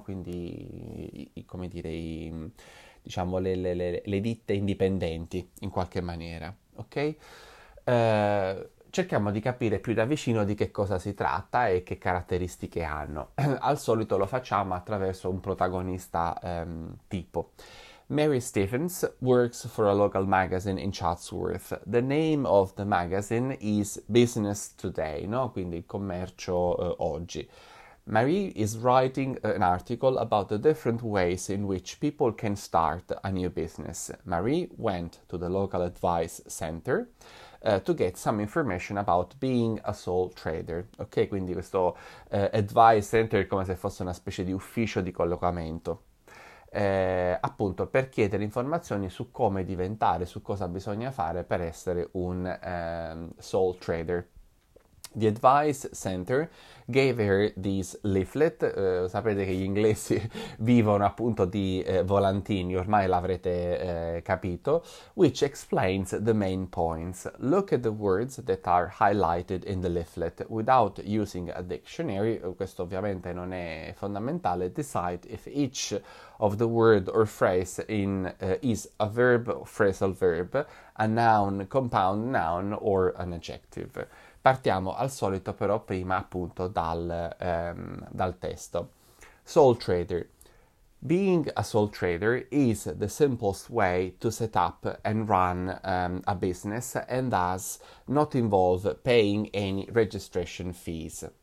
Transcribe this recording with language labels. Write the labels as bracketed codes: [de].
[it] Quindi, come dire, diciamo, le ditte indipendenti in qualche maniera, ok? Cerchiamo di capire più da vicino di che cosa si tratta e che caratteristiche hanno. Al solito lo facciamo attraverso un protagonista tipo. [en] Mary Stephens works for a local magazine in Chatsworth. The name of the magazine is Business Today, no? [it] Quindi il commercio oggi. [en] Mary is writing an article about the different ways in which people can start a new business. Mary went to the local advice center to get some information about being a sole trader. [it] Ok, quindi questo advice center è come se fosse una specie di ufficio di collocamento. Appunto per chiedere informazioni su come diventare, su cosa bisogna fare per essere un sole trader. [en] The Advice Center gave her this leaflet. [it] Sapete che gli inglesi vivono appunto di volantini, ormai l'avrete capito, [en] which explains the main points. Look at the words that are highlighted in the leaflet. Without using a dictionary, [it] questo ovviamente non è fondamentale, [en] decide if each of the word or phrase is a verb, phrasal verb, a noun, compound noun, or an adjective. [it] Partiamo al solito però prima appunto dal testo. [en] Sole trader. Being a sole trader is the simplest way to set up and run a business and thus not involve paying any registration fees.